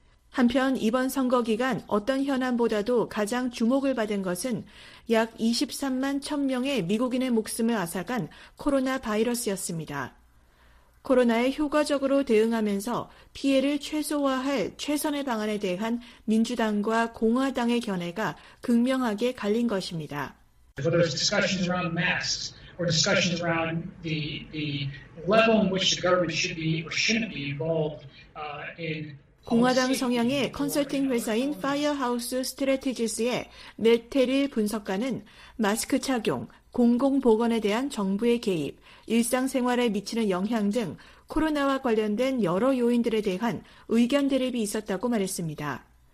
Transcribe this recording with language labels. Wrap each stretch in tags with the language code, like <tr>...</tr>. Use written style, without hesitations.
<ko>한편 이번 선거 기간 어떤 현안보다도 가장 주목을 받은 것은 약 23만 1천 명의 미국인의 목숨을 앗아간 코로나 바이러스였습니다. 코로나에 효과적으로 대응하면서 피해를 최소화할 최선의 방안에 대한 민주당과 공화당의 견해가 극명하게 갈린 것입니다.</ko> <en>So there's discussions around masks or discussions around the level in which the government should be or shouldn't be involved in</en> <ko>공화당 성향의 컨설팅 회사인 파이어하우스 스트래티지스의 메테리 분석가는 마스크 착용, 공공보건에 대한 정부의 개입, 일상생활에 미치는 영향 등 코로나와 관련된 여러 요인들에 대한 의견 대립이 있었다고 말했습니다.</ko>